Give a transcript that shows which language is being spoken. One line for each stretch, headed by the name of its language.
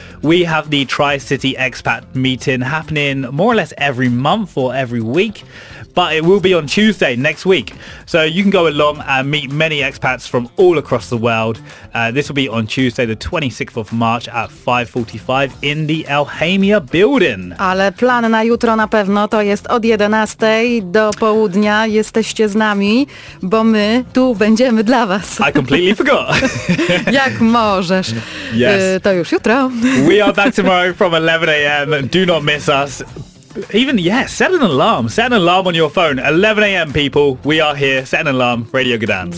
English: We have the Tri-City Expat meeting happening more or less every month or every week. But it will be on Tuesday next week. So you can go along and meet many expats from all across the world. This will be on Tuesday, the 26th of March at 5:45 in the Alhamia building.
Polish: Ale plan na jutro na pewno to jest od 11 do południa. Jesteście z nami, bo my tu będziemy dla was.
English: I completely forgot.
Polish: Jak możesz.
English: Yes.
Polish: To już jutro.
English: We are back tomorrow from 11 a.m. Do not miss us. Even, yeah, set an alarm. Set an alarm on your phone. 11 a.m, people. We are here. Set an alarm. Radio Gdansk.